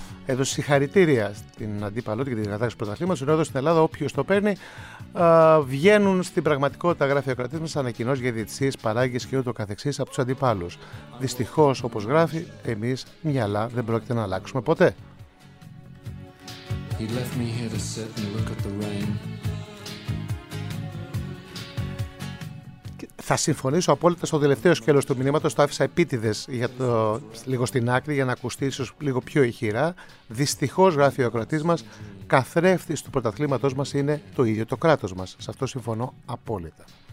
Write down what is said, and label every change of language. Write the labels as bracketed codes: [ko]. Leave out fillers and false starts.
[el] Έδωσε συγχαρητήρια στην αντίπαλό και την κατάσταση πρωταθλήματος. Ενώ εδώ στην Ελλάδα, όποιος το παίρνει, βγαίνουν στην πραγματικότητα, γράφει ο κρατής μας, ανακοινώσεις για διαιτησίες, παράγκες και ούτω καθεξής από τους αντιπάλους. Δυστυχώς, όπως γράφει, εμείς μυαλά δεν πρόκειται να αλλάξουμε ποτέ. [en] He left me here to sit and look at the rain. [el] Θα συμφωνήσω απόλυτα στο τελευταίο σκέλος του μηνύματος. Το άφησα επίτηδες λίγο στην άκρη για να ακουστεί ίσως λίγο πιο ηχηρά. Δυστυχώς, γράφει ο ακροατής μας, καθρέφτης του πρωταθλήματός μας είναι το ίδιο το κράτος μας. Σε αυτό συμφωνώ απόλυτα.